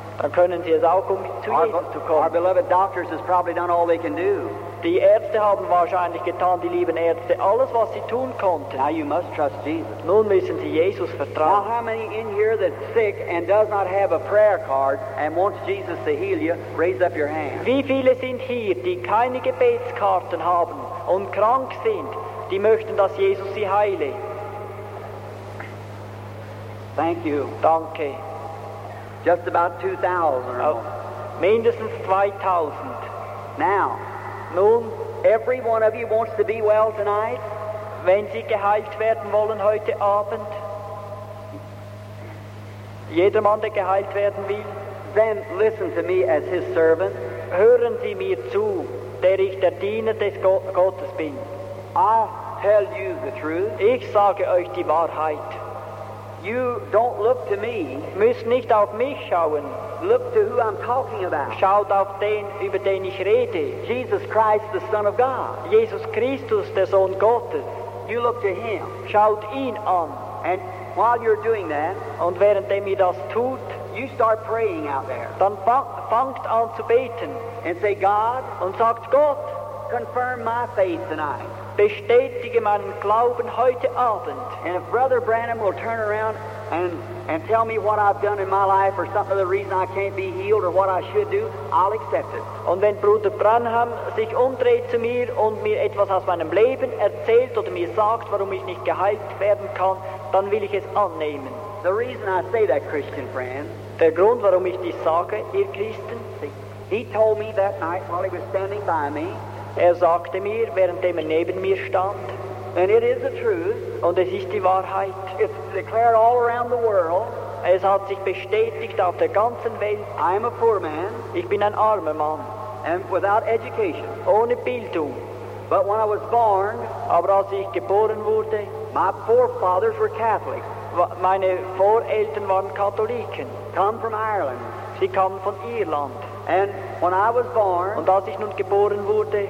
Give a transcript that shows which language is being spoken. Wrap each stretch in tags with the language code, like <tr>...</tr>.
<de>Dann können Sie es auch zu Jesus zu kommen.</de> <en>Our beloved doctors has probably done all they can do.</en> <de>Die Ärzte haben wahrscheinlich getan, die lieben Ärzte, alles, was sie tun konnten.</de> <en>Now you must trust Jesus.</en> <de>Nun müssen sie Jesus vertrauen.</de> <en>Now how many in here that's sick and does not have a prayer card and wants Jesus to heal you, raise up your hand.</en> <de>Wie viele sind hier, die keine Gebetskarten haben und krank sind, die möchten, dass Jesus sie heile?</de> <en>Thank you.</en> <de>Danke.</de> <en>Just about 2,000.</en> <de>Mindestens 2,000.</de> <en>Now.</en> <de>Nun,</de> <en>every one of you wants to be well tonight.</en> <de>Wenn Sie geheilt werden wollen heute Abend, jedermann, der geheilt werden will,</de> <en>then listen to me as his servant.</en> <de>Hören Sie mir zu, der ich der Diener des Gottes bin.</de> <en>I tell you the truth.</en> <de>Ich sage euch die Wahrheit.</de> <en>You don't look to me.</en> <de>Müsst nicht auf mich schauen.</de> <en>Look to who I'm talking about.</en> <de>Schaut auf den, über den ich rede.</de> <en>Jesus Christ, the Son of God.</en> <de>Jesus Christus, der Sohn Gottes.</de> <en>You look to him.</en> <de>Schaut ihn an.</de> <en>And while you're doing that,</en> <de>und währenddem ihr das tut,</de> <en>you start praying out there.</en> <de>Dann fangt an zu beten.</de> <en>And say, God,</en> <de>und sagt Gott,</de> <en>confirm my faith tonight.</en> <de>Bestätige meinen Glauben heute Abend.</de> <en>And if Brother Branham will turn around and tell me what I've done in my life or some other reason I can't be healed or what I should do, I'll accept it.</en> <de>Und wenn Bruder Branham sich umdreht zu mir und mir etwas aus meinem Leben erzählt oder mir sagt, warum ich nicht geheilt werden kann, dann will ich es annehmen.</de> <en>The reason I say that, Christian friend,</en> <de>der Grund, warum ich dies sage, ihr Christen,</de> <en>he told me that night while he was standing by me,</en> <de>er sagte mir, währenddem er neben mir stand,</de> <en>and it is the truth.</en> <de>Und es ist die Wahrheit.</de> <en>It's declared all around the world.</en> <de>Es hat sich bestätigt auf der ganzen Welt.</de> <en>I am a poor man.</en> <de>Ich bin ein armer Mann.</de> <en>And without education.</en> <de>Ohne Bildung.</de> <en>But when I was born,</en> <de>aber als ich geboren wurde,</de> <en>my forefathers were Catholic.</en> <de>Meine Voreltern waren Katholiken.</de> <en>Come from Ireland.</en> <de>Sie kamen von Irland.</de> <en>And when I was born,</en> <de>und als ich nun geboren wurde,</de>